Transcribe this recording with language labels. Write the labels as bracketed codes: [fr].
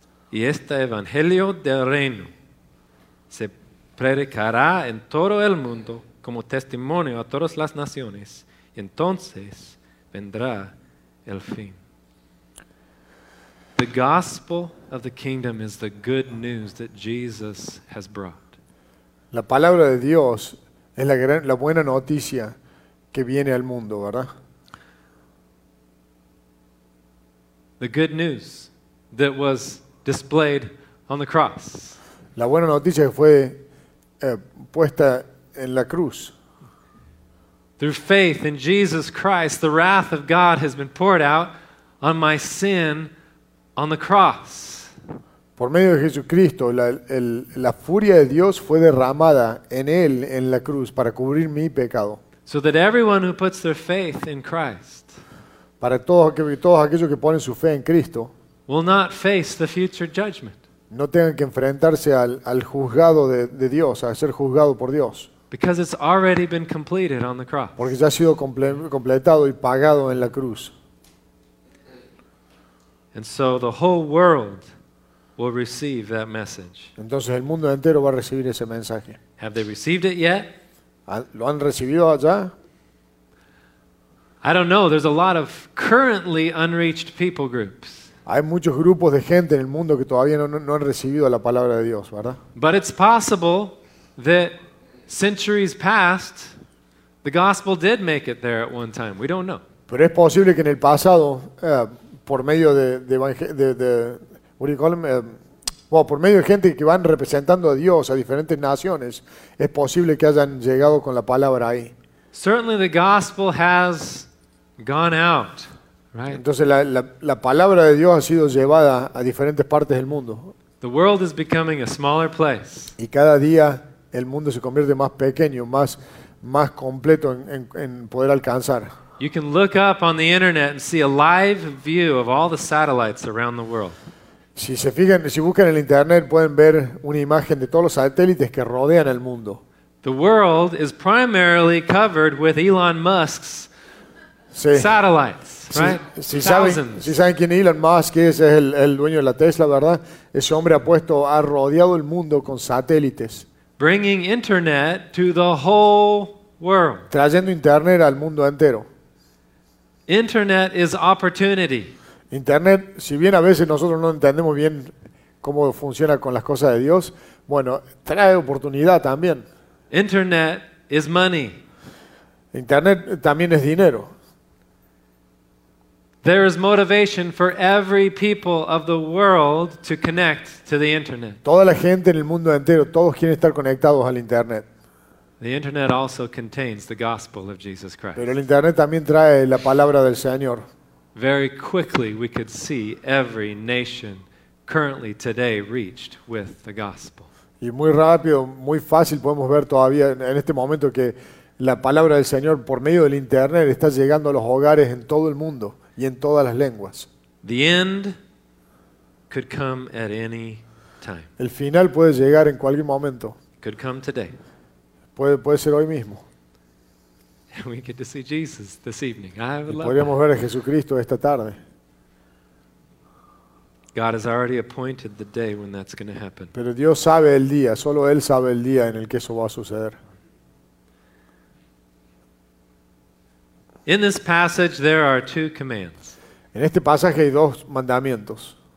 [es] Y este evangelio del reino se predicará en todo el mundo como testimonio a todas las naciones, entonces vendrá el fin. [en] The gospel of the kingdom is the good news that Jesus has brought. [es] La palabra de Dios es la buena noticia que viene al mundo, ¿verdad? [en] The good news that was displayed on the cross. [es] La buena noticia que fue puesta en la cruz. [en] Through faith in Jesus Christ, the wrath of God has been poured out on my sin on the cross. [es] Por medio de Jesucristo, la furia de Dios fue derramada en él en la cruz para cubrir mi pecado. [en] So that everyone who puts their faith in Christ, [es] para todos aquellos que ponen su fe en Cristo, [en] will not face the future judgment. [es] No tengan que enfrentarse al juzgado de Dios, a ser juzgado por Dios. [en] Because it's already been completed on the cross. [es] Porque ya ha sido completado y pagado en la cruz. [en] And so the whole world will receive that message. [es] Entonces el mundo entero va a recibir ese mensaje. [en] Have they received it yet? [es] ¿Lo han recibido ya? [en] I don't know. There's a lot of currently unreached people groups. [es] Hay muchos grupos de gente en el mundo que todavía no han recibido la palabra de Dios, ¿verdad? [en] But it's possible that centuries past, The gospel did make it there at one time. We don't know. [es] Pero es posible que en el pasado, por medio de [en] what do you call them? [es] Well, por medio de gente que van representando a Dios a diferentes naciones, es posible que hayan llegado con la palabra ahí. [en] Certainly the gospel has gone out, right? [es] Entonces la palabra de Dios ha sido llevada a diferentes partes del mundo. [en] The world is becoming a smaller place. [es] Y cada día el mundo se convierte más pequeño, más completo en poder alcanzar. [en] You can look up on the internet and see a live view of all the satellites around the world. [es] Si se fijan, si buscan en el internet pueden ver una imagen de todos los satélites que rodean el mundo. [en] The world is primarily covered with Elon Musk's satellites, right? [es] Si saben quién Elon Musk es el dueño de la Tesla, ¿verdad? Ese hombre ha rodeado el mundo con satélites. [en] Bringing internet to the whole world. [es] Trayendo internet al mundo entero. [en] Internet is opportunity. [es] Internet, si bien a veces nosotros no entendemos bien cómo funciona con las cosas de Dios, bueno, trae oportunidad también. [en] Internet is money. [es] Internet también es dinero. [en] There is motivation for every people of the world to connect to the internet. [es] Toda la gente en el mundo entero, todos quieren estar conectados al internet. [en] The internet also contains the gospel of Jesus Christ. [es] Pero el internet también trae la palabra del Señor. [en] Very quickly we could see every nation currently today reached with the gospel. [es] Y muy rápido, muy fácil podemos ver todavía en este momento que la palabra del Señor por medio del internet está llegando a los hogares en todo el mundo y en todas las lenguas. [en] The end could come at any time. [es] El final puede llegar en cualquier momento. [en] Could come today. [es] Puede ser hoy mismo. [en] We get to see Jesus this evening. I would love. [es] Podríamos ver a Jesucristo esta tarde. [en] God has already appointed the day when that's going to happen. [es] Pero Dios sabe el día, solo Él sabe el día en el que eso va a suceder. [en] In this passage, there are two commands. [es] En este pasaje hay dos mandamientos.